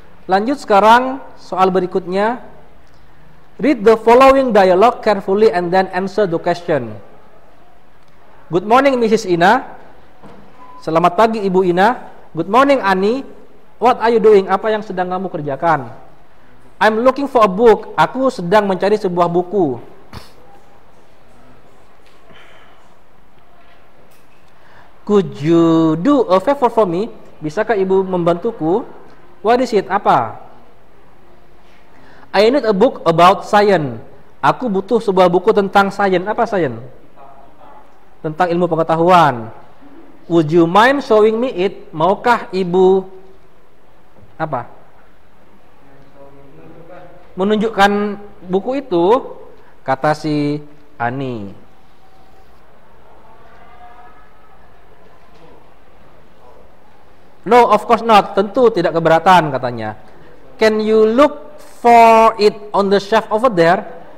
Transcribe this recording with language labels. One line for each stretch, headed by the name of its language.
Indonesian: Lanjut sekarang soal berikutnya.
English: Read the following dialogue carefully and then answer the question. Good morning Mrs. Ina.
Indonesian: Selamat pagi Ibu Ina.
English: Good morning Annie. What are you doing?
Indonesian: Apa yang sedang kamu kerjakan?
English: I'm looking for a book.
Indonesian: Aku sedang mencari sebuah buku.
English: Could you do a favor for me?
Indonesian: Bisakah Ibu membantuku?
English: What is it?
Indonesian: Apa?
English: I need a book about science.
Indonesian: Aku butuh sebuah buku tentang science. Apa science? Tentang ilmu pengetahuan. Would you mind showing me it? Maukah Ibu apa? Menunjukkan buku itu, kata si Ani.
English: No, of course not.
Indonesian: Tentu tidak keberatan, katanya.
English: Can you look for it on the shelf over there?